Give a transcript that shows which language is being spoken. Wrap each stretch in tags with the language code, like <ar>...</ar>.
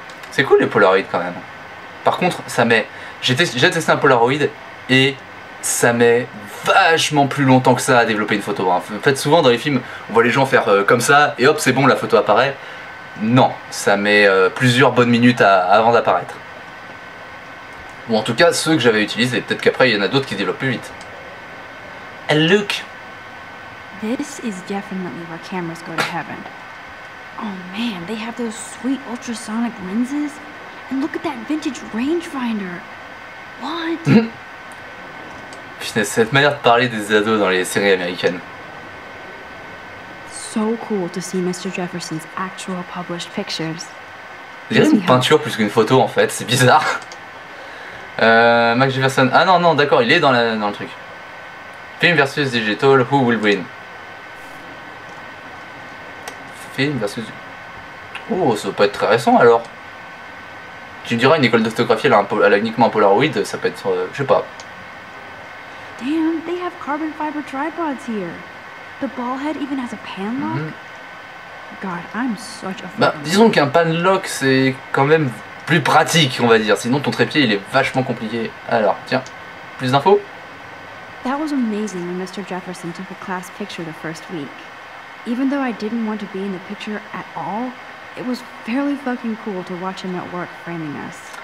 <fr>C'est cool les Polaroids quand même. Par contre, ça met. J'ai testé un Polaroid et ça met vachement plus longtemps que ça à développer une photo. En fait, souvent dans les films, on voit les gens faire comme ça et hop, c'est bon, la photo apparaît. Non, ça met plusieurs bonnes minutes avant d'apparaître. Ou en tout cas, ceux que j'avais utilisés. Peut-être qu'après, il y en a d'autres qui développent plus vite.</fr> <en>And look! This is definitely where cameras go to heaven. Oh man, they have those sweet ultrasonic lenses. And look at that vintage rangefinder. What?</en> <fr>Putain, cette manière de parler des ados dans les séries américaines.</fr> <en>So cool to see Mr. Jefferson's actual published pictures.</en> <fr>C'est une peinture plus qu'une photo en fait, c'est bizarre. Max Jefferson. Ah non, d'accord, il est dans, dans le truc.</fr> <en>Film versus digital, who will win? Film versus.</en> <fr>Oh, ça peut être très récent alors. Tu me diras, une école de photographie, elle a uniquement un Polaroid, ça peut être. Je sais pas.</fr> <en>Damn, they have carbon fiber tripods here. The ball head even has a panlock? God, I'm such a.</en> <fr>Bah, disons qu'un panlock, c'est quand même plus pratique, on va dire. Sinon, ton trépied, il est vachement compliqué. Alors, tiens, plus d'infos?</fr> <en>That was amazing when Mr. Jefferson took a class picture the first week. Even though I didn't want to be in the picture at all, it was fairly fucking cool to watch him at work framing us.</en>